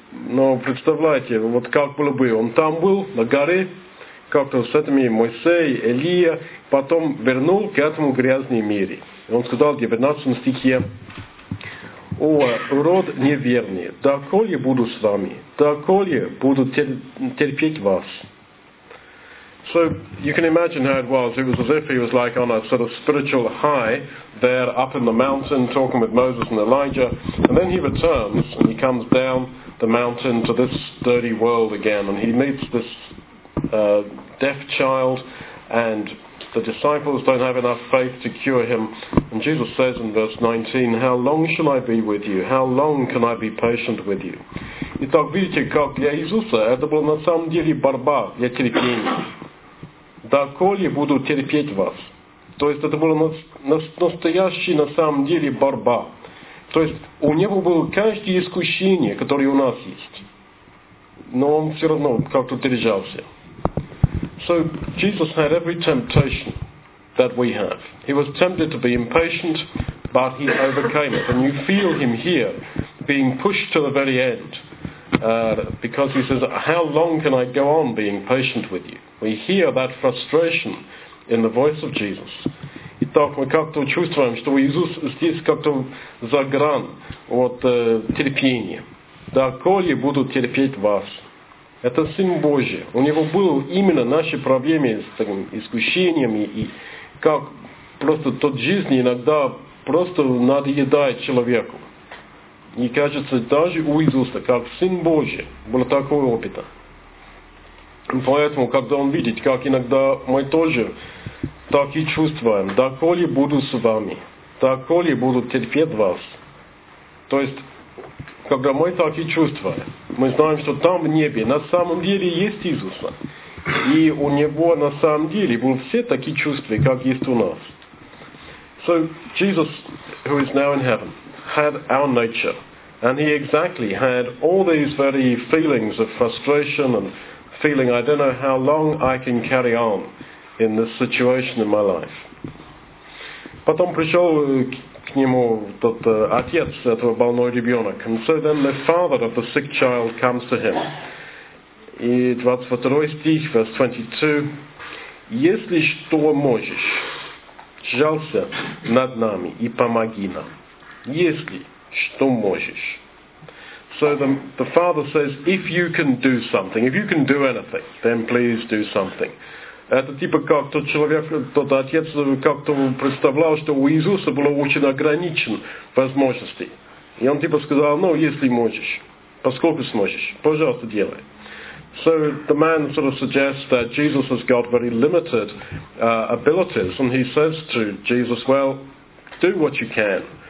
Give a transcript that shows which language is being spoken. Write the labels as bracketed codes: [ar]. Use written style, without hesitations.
[ru] Но представляете, вот как было бы, он там был, на горе, как-то с этими Моисей, Илия, потом вернул к этому грязной мире. Он сказал в 19 стихе: «О, род неверный, доколе буду с вами, доколе буду терпеть вас». [en] So you can imagine how it was as if he was like on a sort of spiritual high there up in the mountain talking with Moses and Elijah, and then he returns and he comes down the mountain to this dirty world again, and he meets this deaf child, and the disciples don't have enough faith to cure him. And Jesus says in verse 19, how long shall I be with you? How long can I be patient with you? [ru] Итак, видите, как для Иисуса это была на самом деле борьба для терпения. Доколе буду терпеть вас? То есть это была настоящая на самом деле борьба. То есть у него было каждое искушение, которое у нас есть. Но он все равно как-то держался. [en] So Jesus had every temptation that we have. He was tempted to be impatient, but he overcame it. And you feel him here being pushed to the very end because he says, how long can I go on being patient with you? We hear that frustration in the voice of Jesus. [ru] Итак, мы как-то чувствуем, что Иисус здесь как-то за гран от терпения. Доколе буду терпеть вас? Это Сын Божий. У него были именно наши проблемы с таким искушением и как просто тот жизнь иногда просто надоедает человеку. И кажется, даже у Иисуса, как Сын Божий, было такое опыта. Поэтому, когда он видит, как иногда мы тоже так и чувствуем, доколе буду с вами, доколе буду терпеть вас. То есть когда мы так и чувствуем, мы знаем, что там в небе на самом деле есть Иисус. И у него на самом деле были все такие чувства, как есть у нас. [en] So Jesus, who is now in heaven, had our nature. And he exactly had all these very feelings of frustration and feeling, I don't know how long I can carry on in this situation in my life. [ru] Потом пришел к нему тот отец этого больного ребенка. [en] And so then the father of the sick child comes to him. [ru] И 22 стих, [en] verse 22. [ru] Если что можешь, жалься над нами и помоги нам. Если что можешь. [en] So the father says, if you can do something, if you can do anything, then please do something. [ru] Это типа как тот человек, тот отец как-то представлял, что у Иисуса было очень ограничен возможностей. И он типа сказал, ну, если можешь, поскольку сможешь, пожалуйста, делай. [en] So the man sort of suggests that Jesus has got very limited abilities, and he says to Jesus, well, do what you can.